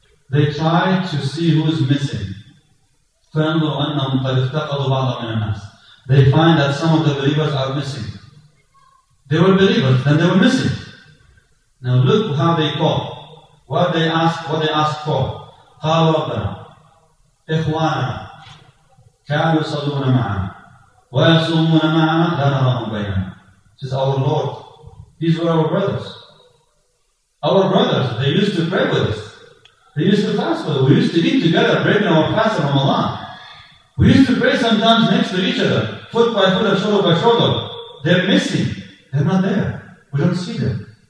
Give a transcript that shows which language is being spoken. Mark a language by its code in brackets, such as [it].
[en] They try to see who's missing. [ar] فَيَنْظُرُ أَنَّهُمْ قَدْ افْتَقَدُوا بَعْضًا مِنَ النَّاسِ. [en] They find that some of the believers are missing. They were believers, then they were missing. Now look how they call. What they asked for. [ar] قَالُوا رَبَّنَا إِخْوَانَا كَانُوا يُصَلُّونَ مَعَنَا وَيَصُومُونَ مَعَنَا لَنَرَهُمْ بَيْنَنَا. [en] It says, our Lord, These were our brothers. Our brothers, they used to pray with us. They used to fast with us. We used to eat together, breaking our fast in Ramadan. We used to pray sometimes next to each other, foot by foot and shoulder by shoulder. They're missing. They're not there. We don't see them.